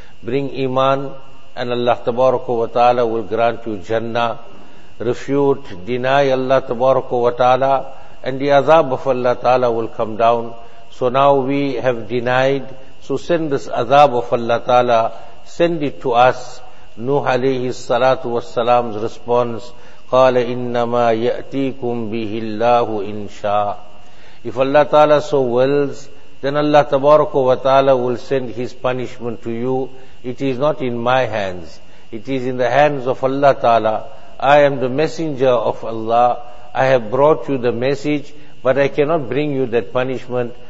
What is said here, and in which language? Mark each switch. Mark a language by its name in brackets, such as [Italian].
[English] Bring iman and Allah tabaraka wa ta'ala will grant you Jannah. Refute, deny Allah tabaraka wa ta'ala, and the azab of Allah ta'ala will come down. So now we have denied, so send this azab of Allah Ta'ala, send it to us. Nuh alayhi salatu wassalam's response, [Arabic] قَالَ إِنَّمَا يَأْتِيكُمْ بِهِ اللَّهُ إِنْ شَاءَ. [English] If Allah Ta'ala so wills, then Allah Tabaraka wa Ta'ala will send His punishment to you. It is not in my hands. It is in the hands of Allah Ta'ala. I am the messenger of Allah. I have brought you the message, but I cannot bring you that punishment.